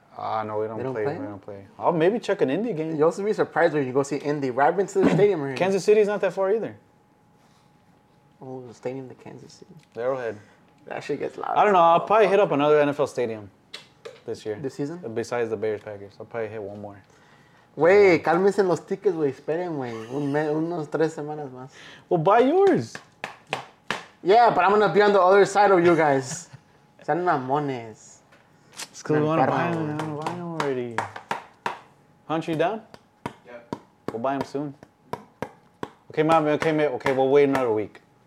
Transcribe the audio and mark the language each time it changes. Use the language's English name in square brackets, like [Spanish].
[English] No, we don't play. I'll maybe check an Indy game. You'll also be surprised when you go see Indy. Right into the stadium right here. Kansas City's not that far either. Oh, the stadium to Kansas City. The Arrowhead. That shit gets loud. I don't know. I'll probably hit up another NFL stadium this year. This season? Besides the Bears Packers. I'll probably hit one more. [Spanish] Wey, cálmense los tickets, wey. Esperen, wey. Unos 3 semanas más. [English] Well, buy yours. Yeah, but I'm gonna be on the other side of you guys. [Spanish] San mamones. [English] It's cause we wanna buy them. We wanna buy them already. Hunt you down? Yeah. We'll buy them soon. Okay, mommy. Okay, we'll wait another week.